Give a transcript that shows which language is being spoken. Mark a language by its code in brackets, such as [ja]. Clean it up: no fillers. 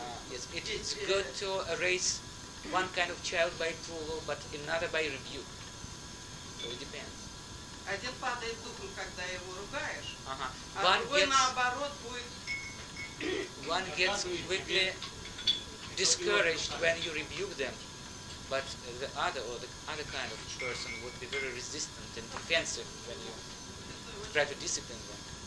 [en] Yes, it's good to raise one kind of child by approval, but another by rebuke. So it depends. [ru] Один падает духом, когда его ругаешь, uh-huh. А другой наоборот будет. [en] One gets quickly discouraged when you rebuke them, but the other or the other kind of person would be very resistant and defensive when you try to discipline them.